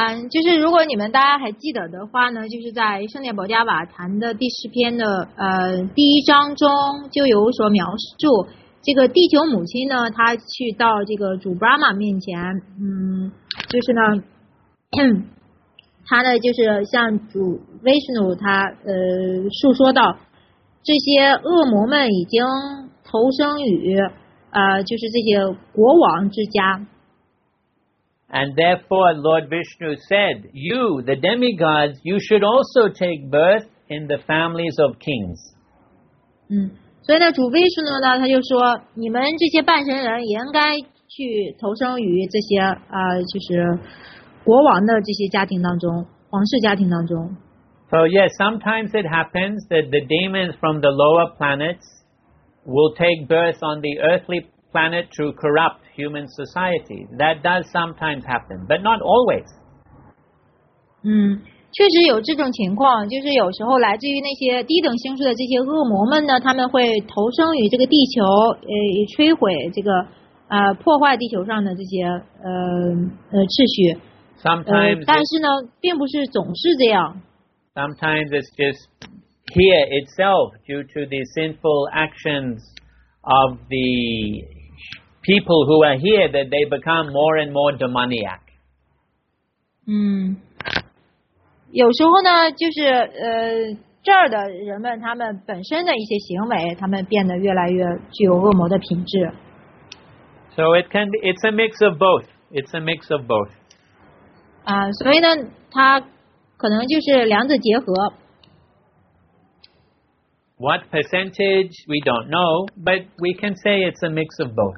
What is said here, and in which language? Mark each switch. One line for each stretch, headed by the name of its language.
Chinese: 就是如果你们大家还记得的话呢，就是在《圣涅薄伽瓦坛》的第十篇的第一章中就有所描述，这个地球母亲呢，她去到这个主 Brahma 面前，就是呢，她呢就是向主 Vishnu 她述说到，这些恶魔们已经投生于就是这些国王之家。
English: And therefore, Lord Vishnu said, "You, the demigods, you should also take birth in the families of kings."
Chinese: 所以呢，主 Vishnu 呢，他就说，你们这些半神人也应该去投生于这些就是国王的这些家庭当中，皇室家庭当中。
English: So yes, sometimes it happens that the demons from the lower planets will take birth on the earthly planet to corrupt human society. That does sometimes happen, but not always.
Chinese: 确实有这种情况，就是有时候来自于那些低等星宿的这些恶魔们呢，他们会投生于这个地球，也摧毁这个破坏地球上的这些秩序。
English: Sometimes,
Chinese: 但是呢，并不是总是这样。
English: Sometimes it's just here itself due to the sinful actions of the people who are here that they become more and more demoniac.
Chinese: 有时候呢，就是这儿的人们，他们本身的一些行为，他们变得越来越具有恶魔的品质。
English: So it can be, it's a mix of both. It's a mix of both.
Chinese: 所以呢，它可能就是两者结合。
English: What percentage, we don't know, but we can say it's a mix of both.